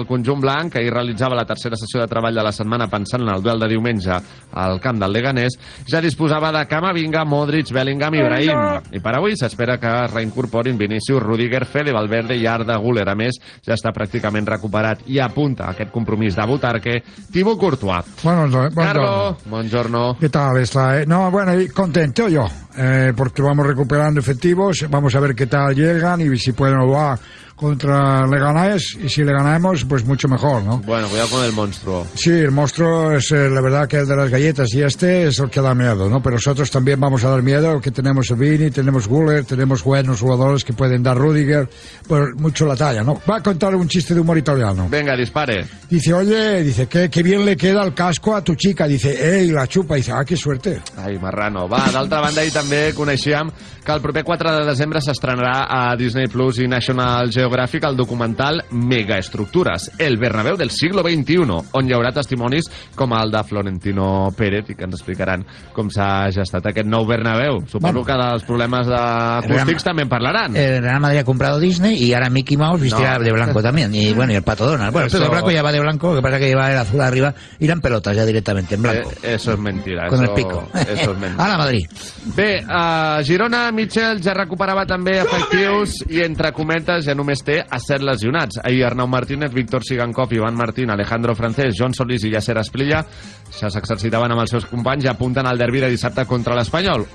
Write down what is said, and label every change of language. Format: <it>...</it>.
<ca>El conjunt blanc, que ahir realitzava la tercera sessió de treball de la setmana pensant en el duel de diumenge al camp del Leganés, ja disposava de Camavinga, Modric, Bellingham i Ibrahim. I per avui s'espera que reincorporin Vinícius, Rüdiger, Fede Valverde i Arda Güler. A més, ja està pràcticament recuperat i apunta aquest compromís de Butarque, Thibaut Courtois.</ca> <es>Bueno,</es> <it>Carlo, buongiorno.</it> <es>¿Qué tal está? No, bueno, contento yo, porque vamos recuperando efectivos, vamos a ver qué tal llegan y si pueden jugar contra Leganés, y si le ganamos, pues mucho mejor, ¿no? Bueno, cuidado con el monstruo. Sí, el monstruo es, la verdad, que el de las galletas, y este es el que da miedo, ¿no? Pero nosotros también vamos a dar miedo, que tenemos Vini, tenemos Güler, tenemos buenos jugadores que pueden dar Rüdiger, pues mucho la talla, ¿no? Va a contar un chiste de humor italiano. Venga, dispare. Dice, oye, dice, qué bien le queda el casco a tu chica. Dice, ey, la chupa. Dice, ah, qué suerte. Ay, marrano.</es> <ca>Va, d'altra banda, ahí també coneixíem que el proper 4 de desembre s'estrenarà a Disney Plus i National Geographic el documental Megaestructures, el Bernabéu del siglo XXI, on hi haurà testimonis com el de Florentino Pérez, i que ens explicaran com s'ha gestat aquest nou Bernabéu. Suposo, bueno, que dels problemes acústics també en parlaran. El Real Madrid</ca> <es>ha comprado</es> <ca>Disney i ara Mickey Mouse vestirà de blanco també, i bueno, el Pato Donald.</ca> <es>Bueno, el blanco ja va de blanco, que pasa que lleva el azul arriba, i eren pelotas</es> <ca>ja directament</ca> <es>en blanco. Eso es mentira. Con el pico. Eso es mentira. A la Madrid.</es> <ca>Bé, a Girona, Mitchell ja recuperava també efectius i, entre cometes, ja només té a 7 lesionats. Ahir Arnau Martínez, Víctor Sigankov, Ivan Martín, Alejandro Francés, John Solís i Yasser Asplilla ja s'exercitaven amb els seus companys i apunten al derbi de dissabte contra l'Espanyol.</ca>